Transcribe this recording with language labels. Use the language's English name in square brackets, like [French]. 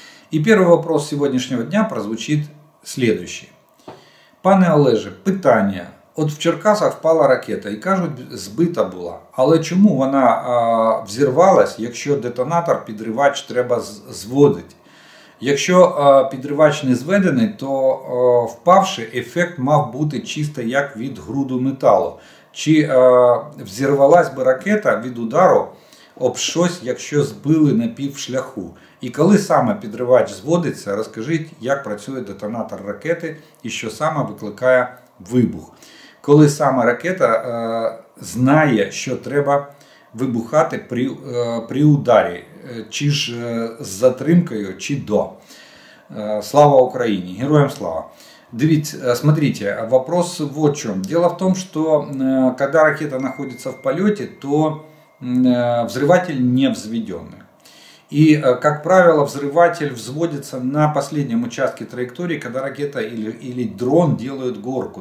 [Russian] И первый вопрос сегодняшнего дня прозвучит следующий. [Ukrainian] Пане Олеже, питання. От в Черкасах впала ракета, і кажуть, збита була. Але чому вона взірвалась, якщо детонатор, підривач треба зводити? Якщо підривач не зведений, то впавши ефект мав бути чисто як від груду металу. Чи взірвалась би ракета від удару об щось, якщо збили на півшляху? І коли саме підривач зводиться, розкажіть, як працює детонатор ракети і що саме викликає вибух. Коли саме ракета знає, що треба вибухати при ударі, чи ж з затримкою, чи до. Слава Україні! Героям слава! [Russian] Смотрите, вопрос вот в чем. Дело в том, что когда ракета находится в полете, то взрыватель не взведенный. И, как правило, взрыватель взводится на последнем участке траектории, когда ракета или дрон делают горку.